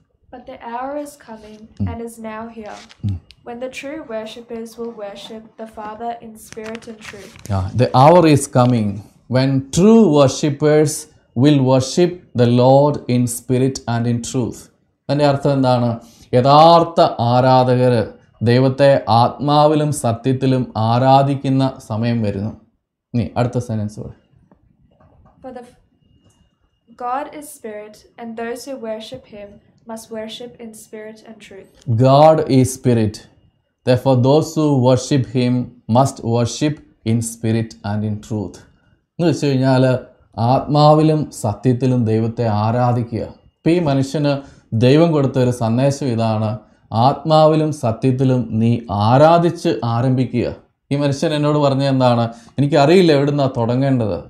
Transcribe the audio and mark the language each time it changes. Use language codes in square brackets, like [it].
[en] But the hour is coming and is now here, when the true worshippers will worship the Father in spirit and truth. Yeah, the hour is coming when true worshippers will worship the Lord in spirit and in truth. [ml] അതിൻ്റെ അർത്ഥം എന്താണ്? യഥാർത്ഥ ആരാധകർ ദൈവത്തെ ആത്മാവിലും സത്യത്തിലും ആരാധിക്കുന്ന സമയം വരുന്നു. ഇനി അടുത്ത സെന്റൻസ് പറ. [en] For the God is spirit and those who worship him must worship in spirit and truth. God is spirit. Therefore those who worship him must worship in spirit and in truth. [ml] എന്ന് വെച്ച് കഴിഞ്ഞാൽ ആത്മാവിലും സത്യത്തിലും ദൈവത്തെ ആരാധിക്കുക. ഇപ്പം ഈ മനുഷ്യന് ദൈവം കൊടുത്തൊരു സന്ദേശം ഇതാണ്, ആത്മാവിലും സത്യത്തിലും നീ ആരാധിച്ച് ആരംഭിക്കുക. ഈ മനുഷ്യൻ എന്നോട് പറഞ്ഞ എന്താണ്, എനിക്കറിയില്ല എവിടുന്നാ തുടങ്ങേണ്ടത്.